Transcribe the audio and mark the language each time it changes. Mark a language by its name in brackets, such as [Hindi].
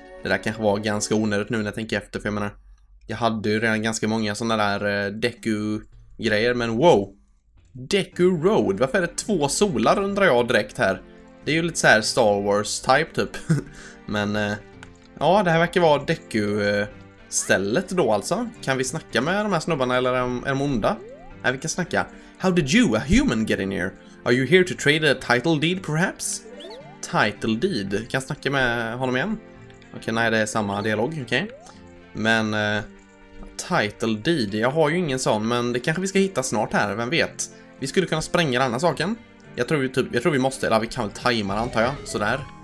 [Swedish] Det där kanske var ganska onödigt nu när jag tänker efter, för jag menar, jag hade ju redan ganska många sådana där Deku-grejer, men wow! Deku Road, varför är det två solar undrar jag direkt här? Det är ju lite så här Star Wars-type typ. Men ja, det här verkar vara Deku-stället då alltså. Kan vi snacka med de här snubbarna eller är de onda? Nej, vi kan snacka. [English] How did you, a human, get in here? Are you here to trade a title deed perhaps? [Swedish] Title deed, kan jag snacka med honom igen? Okej, nej, det är samma dialog, okej. Men title deed, jag har ju ingen sån, men det kanske vi ska hitta snart här, vem vet. Vi skulle kunna spränga den här saken. Jag tror vi måste, eller vi kan väl tajma den, antar jag, sådär.